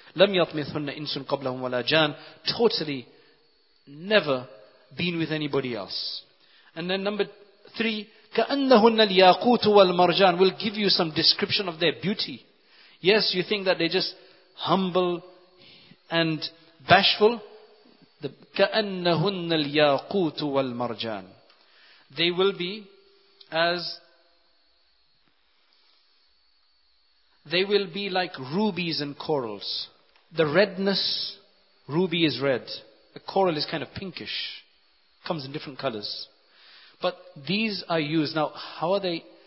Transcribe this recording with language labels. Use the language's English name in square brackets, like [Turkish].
[Arabic] لم يطمثن إنس قبلهم ولا جان, [English] totally never been with anybody else. And then number three, [Arabic] كأنهن الياقوت والمرجان, [English] will give you some description of their beauty. Yes, you think that they're just humble and bashful. [Arabic] كأنهن الياقوت والمرجان. [English] They will be as, they will be like rubies and corals. The redness, ruby is red. A coral is kind of pinkish. Comes in different colors. But these are used. Now, how are they?